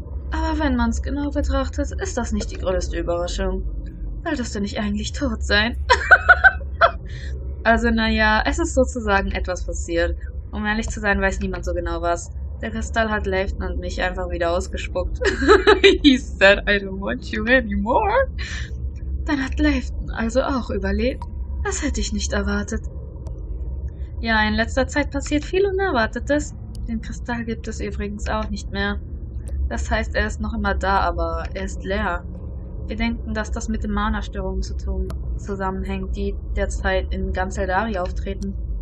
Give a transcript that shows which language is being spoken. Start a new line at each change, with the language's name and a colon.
German: Aber wenn man es genau betrachtet, ist das nicht die größte Überraschung. Solltest du nicht eigentlich tot sein? Also, naja, es ist sozusagen etwas passiert. Um ehrlich zu sein, weiß niemand so genau was. Der Kristall hat Leifton und mich einfach wieder ausgespuckt.
English: He said, I don't want you anymore.
German: Dann hat Leifton also auch überlebt. Das hätte ich nicht erwartet. Ja, in letzter Zeit passiert viel Unerwartetes. Den Kristall gibt es übrigens auch nicht mehr. Das heißt, er ist noch immer da, aber er ist leer. Wir denken, dass das mit den Mana-Störungen zu tun zusammenhängt, die derzeit in ganz Eldaria auftreten.